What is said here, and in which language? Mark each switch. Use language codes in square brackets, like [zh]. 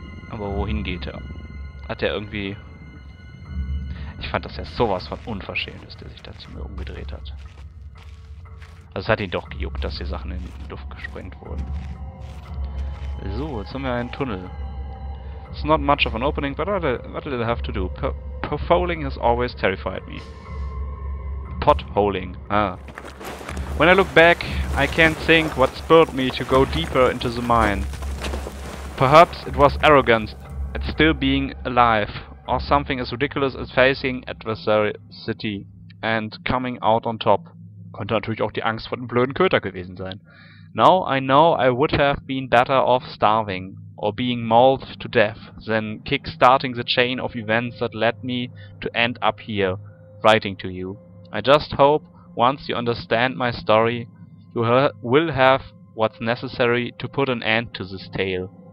[de] Aber wohin geht er? Hat er irgendwie... Ich fand das ja sowas von unverschämt ist, der sich da zu mir umgedreht hat. Also es hat ihn doch gejuckt, dass hier Sachen in die Luft gesprengt wurden. So, jetzt haben wir einen Tunnel. [en] It's not much of an opening, but what did I have to do? Potholing has always terrified me. Potholing, ah. When I look back, I can't think what spurred me to go deeper into the mine. Perhaps it was arrogance. It's still being alive, or something as ridiculous as facing adversary city and coming out on top. [de] Könnte natürlich auch die Angst vor dem blöden Köter gewesen sein. [en] Now I know I would have been better off starving or being mauled to death than kick-starting the chain of events that led me to end up here, writing to you. I just hope, once you understand my story, you will have what's necessary to put an end to this tale.